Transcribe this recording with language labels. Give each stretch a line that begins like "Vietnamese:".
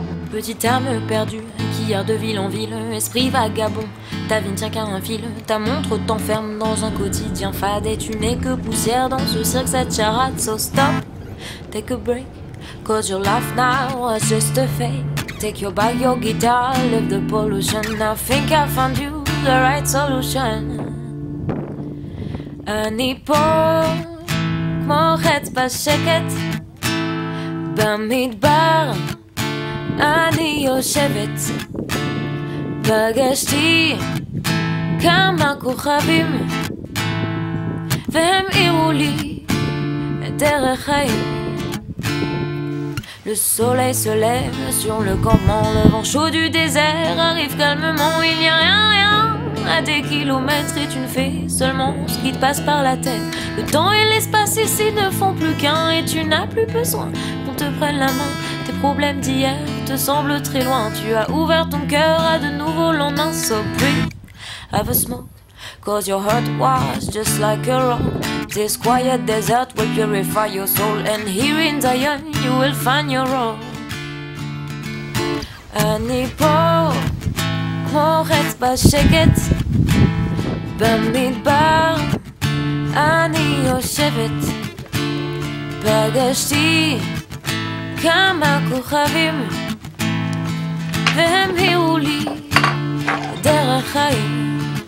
French: petite âme perdue qui erre de ville en ville, esprit vagabond. Ta vie ne tient qu'à un fil, ta montre t'enferme dans un quotidien fade. Et tu n'es que poussière dans ce cirque, cette charade.
English: So stop, take a break, cause your life now is just a fake. Take your bag, your guitar, leave the pollution. I think I found you the right solution.
Hebrew: אני פה כמו חץ בשקט במדבר, אני יושבת. פגשתי כמה כוכבים והם אירו לי את דרך חיים.
French: Le soleil se lève sur le campement, le vent chaud du désert arrive calmement. Il n'y a rien, rien à des kilomètres et tu ne fais seulement ce qui te passe par la tête. Le temps et l'espace ici ne font plus qu'un et tu n'as plus besoin qu'on te prenne la main. Tes problèmes d'hier te semblent très loin, tu as ouvert ton cœur à de nouveaux lendemains.
English: So breathe, have a smoke, cause your heart was just like a rock. This quiet desert will purify your soul, and here in Zion you will find your role.
Hebrew: אני פה כמו חץ בשקט במדבר, אני יושבת. פגשתי כמה כוכבים והם הראו לי דרך חיים.